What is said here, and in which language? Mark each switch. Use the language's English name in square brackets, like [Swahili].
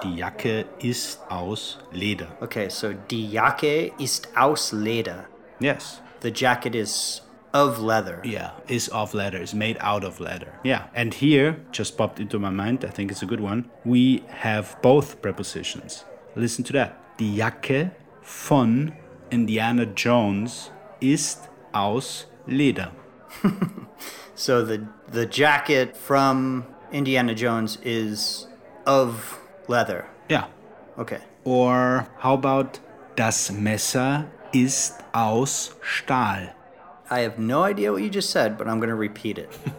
[German] Die Jacke ist aus Leder. Okay, so die Jacke ist aus Leder. [English] Yes. The jacket is Of leather. Yeah, is of leather, is made out of leather. Yeah, and here, just popped into my mind, I think it's a good one, we have both prepositions. Listen to that. [German] Die Jacke von Indiana Jones ist aus Leder. [English] So the jacket from Indiana Jones is of leather. Yeah. Okay. Or how about [German] das Messer ist aus Stahl? [English] I have no idea what you just said, but I'm going to repeat it.